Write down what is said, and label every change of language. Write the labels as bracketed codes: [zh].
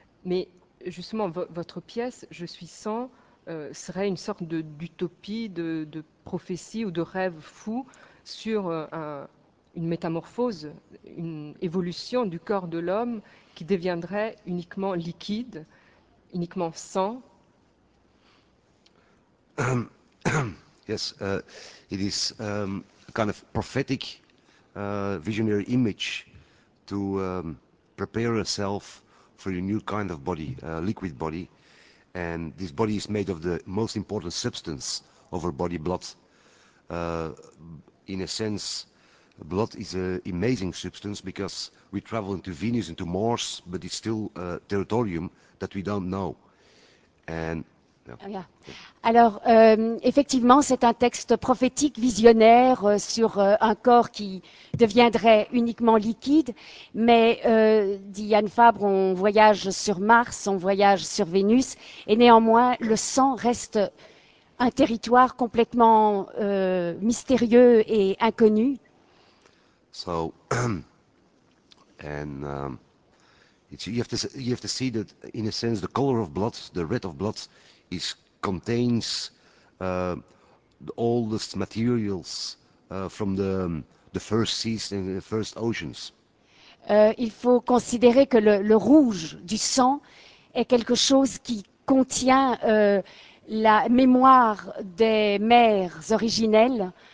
[fr] Mais justement, votre pièce, Je suis sans, serait une sorte d'utopie, de prophétie ou de rêve fou sur une métamorphose, une évolution du corps de l'homme qui deviendrait uniquement liquide, uniquement sang. [en] Yes, it is a kind of prophetic, visionary image to prepare yourself for a new kind of body, a liquid body. And this body is made of the most important substance of our body, blood. In a sense, blood is an amazing substance because we travel into Venus, into Mars, but it's still a territorium that we don't know. And yeah. [fr] Alors, effectivement, c'est un texte prophétique, visionnaire, sur un corps qui deviendrait uniquement liquide. Mais, dit Yann Fabre, on voyage sur Mars, on voyage sur Vénus. Et néanmoins, le sang reste un territoire complètement mystérieux et inconnu. [en] So, you have to see that, in a sense, the color of blood, the red of blood, contains the oldest materials from the first seas and the first oceans. [fr] Il faut considérer que le rouge du sang est quelque chose qui contient la mémoire des mers originelles.